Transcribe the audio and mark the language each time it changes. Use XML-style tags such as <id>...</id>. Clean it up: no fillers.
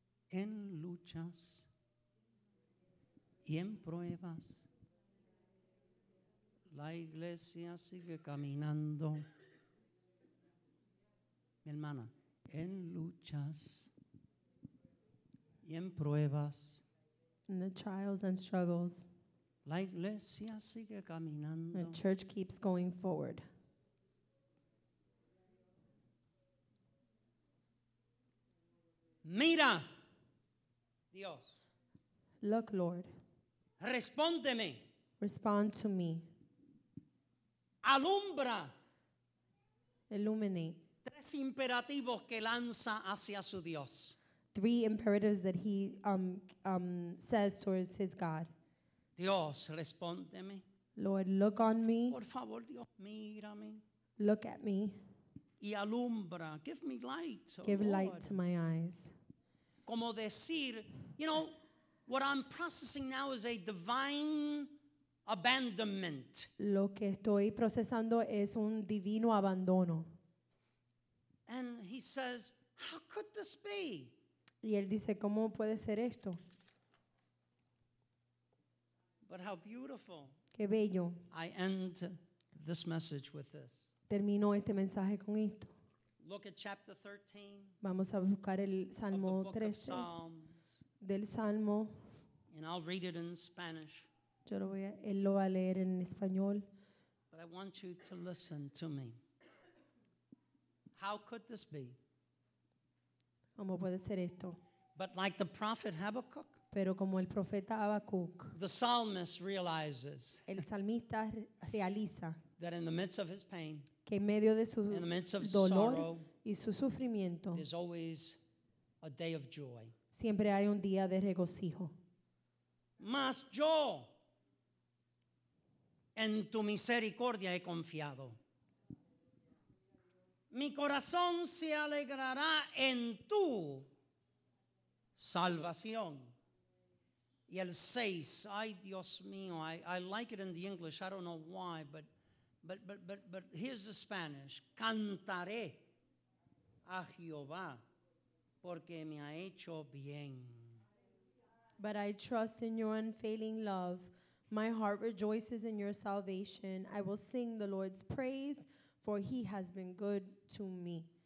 <es>En luchas y en pruebas, la iglesia sigue caminando. Mi hermana, en luchas y en pruebas.</es> <en>In the trials and struggles.</en> <es>La iglesia sigue caminando.</es> <en>The church keeps going forward.</en> <es>Mira, Dios.</es> <en>Look, Lord.</en> <es>Respóndeme.</es> <en>Respond to me.</en> <es>Alumbra.</es> <en>Illuminate.</en> <es>Tres imperativos que lanza hacia su Dios.</es> <en>Three imperatives that he says towards his God.</en> <es>Dios, respóndeme.</es> <en>Lord, look on me.</en> <es>Por favor, Dios, mírame.</es> <en>Look at me.</en> <es>Y alumbra.</es> <en>Give me light. Oh give Lord. Light to my eyes.</en> <es>Como decir,</es> <en>you know, what I'm processing now is a divine abandonment.</en> <es>Lo que estoy procesando es un divino abandono.</es> <en>And he says, how could this be?</en> <es>Y él dice, ¿cómo puede ser esto?</es> <en>But how beautiful.</en> <es>Qué bello.</es> <en>I end this message with this.</en> <es>Termino este mensaje con esto.</es> <en>Look at chapter 13.</en> <es>Vamos a buscar el Salmo 13 del Salmo.</es> <en>And I'll read it in Spanish.</en> <es>Yo lo voy a, él lo va a leer en español.</es> <en>But I want you to listen to me. How could this be?</en> <es>¿Cómo puede ser esto?</es> <en>But like the prophet Habakkuk,</en> <es>pero como el profeta Habacuc,</es> <en>the psalmist realizes,</en> <es>el salmista realiza,</es> <en>that in the midst of his pain,</en> <es>que en medio de su</es> <en>in the midst of</en> <es>dolor</es> <en>sorrow,</en> <es>y su sufrimiento,</es> <en>there's always a day of joy.</en> <es>Siempre hay un día de regocijo. Mas yo en tu misericordia he confiado. Mi corazón se alegrará en tu salvación. Y el seis, ay Dios mío,</es> <en>I like it in the English, I don't know why, but here's the Spanish.</en> <es>Cantaré a Jehová porque me ha hecho bien.</es> <en>But I trust in your unfailing love. My heart rejoices in your salvation. I will sing the Lord's praise, for he has been good to me.</en>